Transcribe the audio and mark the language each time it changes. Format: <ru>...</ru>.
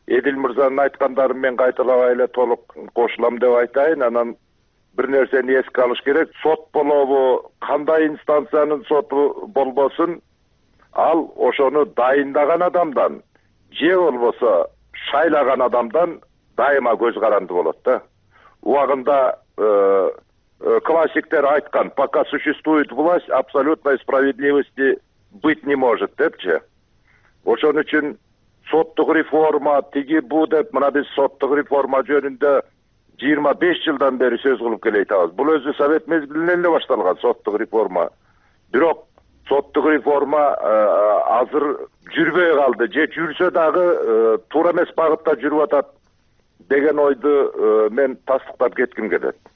<ky>Эдил мырзанын айткандарын мен кайталабай эле толук кошулам деп айтайын. Анан бир нерсени эске алыш керек: сот болобу, кандай инстанциянын соту болбосун, ал ошону дайындаган адамдан же болбосо шайлаган адамдан дайыма көз каранды болот да. Убагында классиктер айткан:</ky> <ru>пока существует власть, абсолютной справедливости быть не может</ru> <ky>депчи. Ошон үчүн соттук реформа тиги бул деп, мына биз соттук реформа жөнүндө 25 жылдан бери сөз кылып келе жатабыз. Бул өзү совет мезгилинен эле башталган соттук реформа. Бирок соттук реформа азыр жүрбөй калды, же жүрсө дагы туура эмес багытта жүрүп атат деген ойду мен тастыктап кетким келет.</ky>